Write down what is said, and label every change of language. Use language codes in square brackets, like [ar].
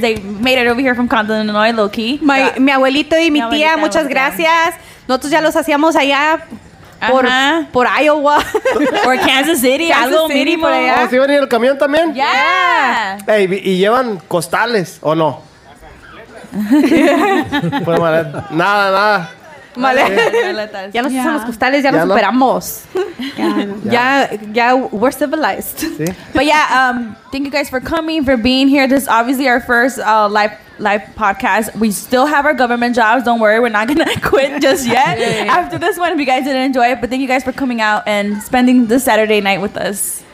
[en] They made it over here from Compton, Illinois, low key. [es] Mi abuelito y mi tía, abuelita, muchas abuelita. Gracias. Nosotros ya los hacíamos allá por Iowa. [en] Or Kansas City. Kansas City, [es] por allá. ¿Sí van a ir el camión también? [en] Yeah. [es] Hey, ¿y llevan costales o no? Pues nada. Vale. Ya nos usamos los costales, ya los superamos. Ya [en] we're civilized. [es] ¿Sí? [en] But yeah, thank you guys for coming, for being here. This is obviously our first live podcast. We still have our government jobs. Don't worry, we're not gonna quit just yet. After this one, if you guys didn't enjoy it, but thank you guys for coming out and spending the Saturday night with us.